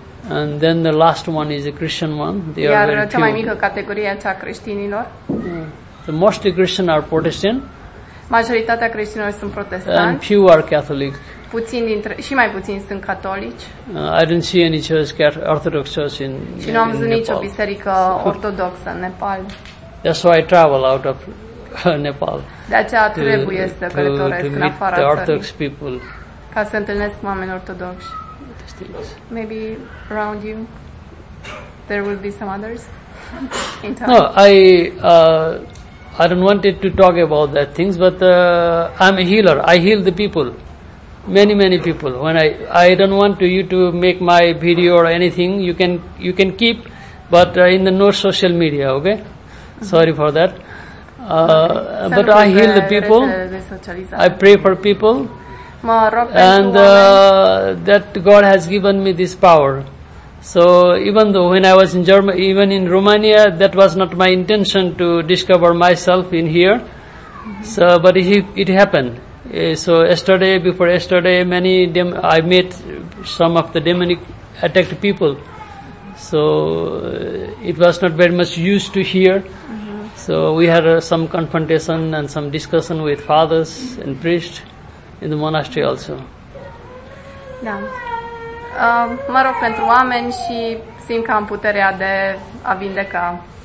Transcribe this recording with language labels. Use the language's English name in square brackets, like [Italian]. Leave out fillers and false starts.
[English] And then the last one is a Christian one. They [Romanian] iar [English] are very [Romanian] cea mai mică categorie cea creștinilor. [English] The most Christian are Protestant. [Romanian] Majoritatea creștinilor sunt protestanți. [English] And few are Catholic. [Romanian] Puțin dintre și mai puțin sunt catolici. [English] I don't see any church, Orthodox church in Nepal. [Romanian] Și nu am văzut nicio biserică ortodoxă în Nepal. [English] That's why I travel out of Nepal. [Romanian] De aceea trebuie să călătoresc în afara țării. [English] Orthodox people. [Romanian] Ca să întâlnesc oameni ortodoxi. [English] Maybe around you there will be some others in town. No, I don't wanted to talk about that things, but I'm a healer. I heal the people, many people. When I don't want you to make my video or anything, you can keep, but in the no social media, okay? Mm-hmm. Sorry for that. But I heal the people. I pray for people. And that God has given me this power. So even though when I was in Germany, even in Romania, that was not my intention to discover myself in here. Mm-hmm. So, but it happened. So before yesterday, I met some of the demonic attacked people. So it was not very much used to hear. Mm-hmm. So we had some confrontation and some discussion with fathers mm-hmm. and priests. In the monastery also. [Romanian] Da. Mă rog pentru oameni și simt că am puterea de a vindeca.